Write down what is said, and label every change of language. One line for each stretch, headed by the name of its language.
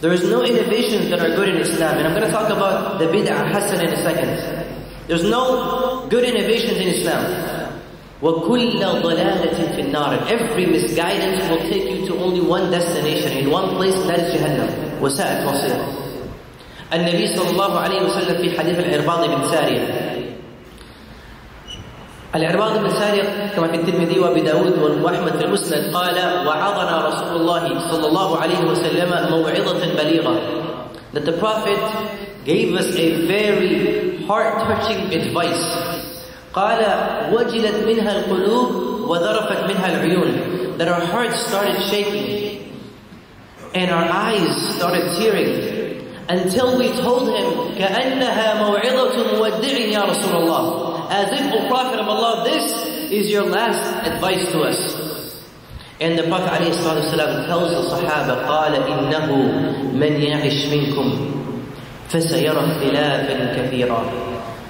English: There is no innovations that are good in Islam. And I'm going to talk about the bid'ah hasan in a second. There's no good innovations in Islam.
Arabic: وَكُلَّ ضَلَالَةٍ فِي النَّارِ.
English: Every misguidance will take you to only one destination, in one place, that is Jahannam.
Arabic: وَسَاءَتْ مَصِيرًا. النبي صلى الله عليه وسلم في حديث العرباض بن ساريه. العرباض بن ساريه كما في الترمذي وابي داود واحمد في المسند قال: وعظنا رسول الله صلى الله عليه وسلم موعظه بليغه.
English: That the Prophet gave us a very heart-touching advice.
Arabic: قال: وجلت منها القلوب وذرفت منها العيون.
English: That our hearts started shaking and our eyes started tearing. Until we told him,
Arabic: كَأَنَّهَا مَوْعِظَةٌ مُوَدِّعٍ يَا رَسُولَ اللَّهِ.
English: As if, O Prophet of Allah, this is your last advice to us. And the Prophet ﷺ tells the Sahaba,
Arabic: قَالَ إِنَّهُ مَنْ يَعِشْ مِنْكُمْ فَسَيَرَ خِلَافًا كَثِيرًا.